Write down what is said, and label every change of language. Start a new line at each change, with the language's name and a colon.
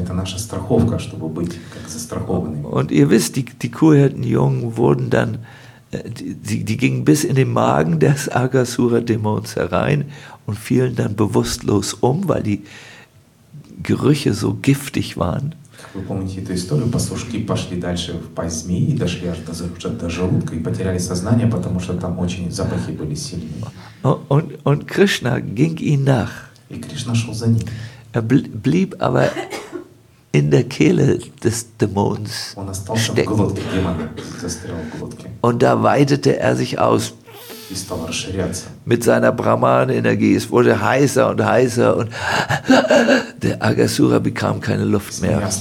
German: Und ihr wisst, die Kuhhirtenjungen wurden dann, die gingen bis in den Magen des Agasura-Dämons herein und fielen dann bewusstlos um, weil die Gerüche so giftig waren.
Russian: Вы помните эту историю? Пастушки пошли дальше в пасть змеи и дошли аж до желудка и потеряли сознание, потому что там очень запахи были сильные.
German: Und Krishna ging ihnen nach.
Russian: И Кришна шел за ним.
German: Er blieb aber in der Kehle des Dämons stecken.
Russian: Он остался в глотке демона, застрял в глотке.
German: Und da weitete er sich aus.
Russian: И стал расширяться.
German: Mit seiner Brahman-Energie. Es wurde heißer und heißer und der Agasura bekam keine Luft mehr.